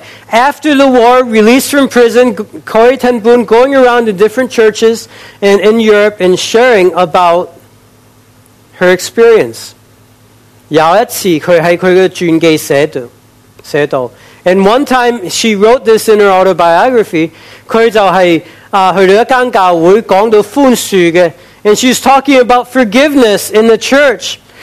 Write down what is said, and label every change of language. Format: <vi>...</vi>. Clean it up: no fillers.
<en>after the war, released from prison, Corrie ten Boom going around to different churches in Europe and sharing about her experience.</en> <yue>有一次他在他的传记写到,</yue> <en>and one time she wrote this in her autobiography,</en> <yue>他就是去了一间教会讲到宽恕的,</yue> <en>and she's talking about forgiveness in the church.</en>